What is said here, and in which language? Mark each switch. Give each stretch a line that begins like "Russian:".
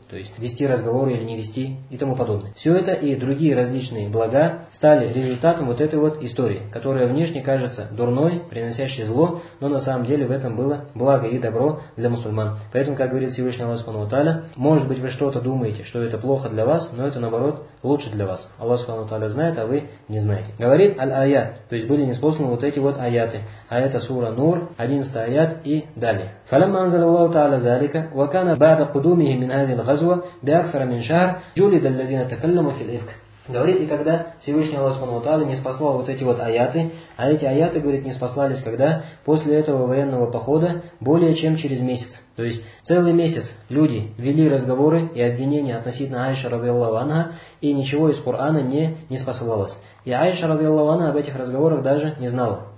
Russian: То есть вести разговоры или не вести и тому подобное. Все это и другие различные блага стали результатом вот этой вот истории, которая внешне кажется дурной, приносящей зло, но на самом деле в этом было благо и добро для мусульман. Поэтому, как говорит Всевышний Аллах Субхану ва Тааля, может быть, вы что-то думаете, что это плохо для вас, но это наоборот лучше для вас. Аллах Субхану ва Тааля знает, а вы не знаете. Говорит аль-аят, то есть были ниспосланы вот эти вот аяты, а это сура Нур, 11 аят и далее.
Arabic: فلما أنزل الله تعالى ذلك وكان بعد قدومه من هذه الغزوة بأكثر من شهر جلد الذين تكلموا في الإفك.
Russian: Говорит, и когда Всевышний Аллах Субхану ва Тааля ниспослал вот эти вот аяты, а эти аяты, говорит, ниспослались когда? После этого военного похода более чем через месяц. То есть целый месяц люди вели разговоры и обвинения относительно Аиши радиаллаху анха, и ничего из Корана не ниспосылалось. И Аиша радиаллаху анха об этих разговорах даже не знала.